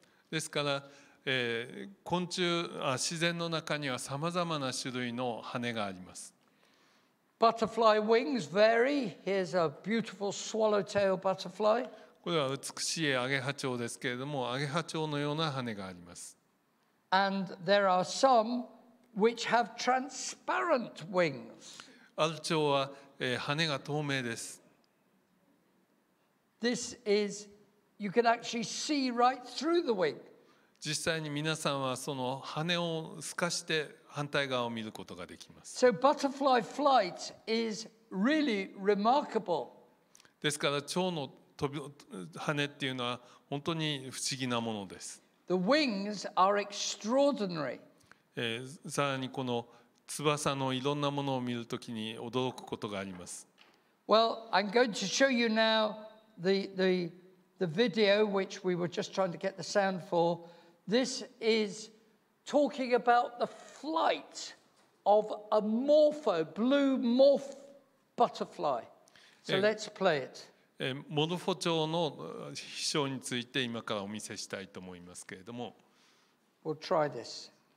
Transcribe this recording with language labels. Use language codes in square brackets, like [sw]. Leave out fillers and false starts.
[ja] ですから、昆虫、自然の中にはさまざまな種類の羽があります。 [en] Butterfly wings vary. Here's a beautiful swallowtail butterfly. [ja] これは美しいアゲハチョウですけれども、アゲハチョウのような羽があります。 [en] And there are some which have transparent wings. [ja] アルチョウは、羽が透明です。 [en] This is, you can actually see right through the wing. [ja] 実際に皆さんはその羽を透かして反対側を見ることができます。 [en] So butterfly flight is really remarkable. [ja] ですから蝶の飛び羽っていうのは本当に不思議なものです。 [en] The wings are extraordinary. [ja] さらにこの翼のいろんなものを見るときに驚くことがあります。 [en] Well, I'm going to show you now. The video which we were just trying to get the sound for, this is talking about the flight of a morpho, blue morph butterfly. So let's play it. [ja] モルフォチョウの飛翔について今からお見せしたいと思いますけれども。 [en] We'll try this.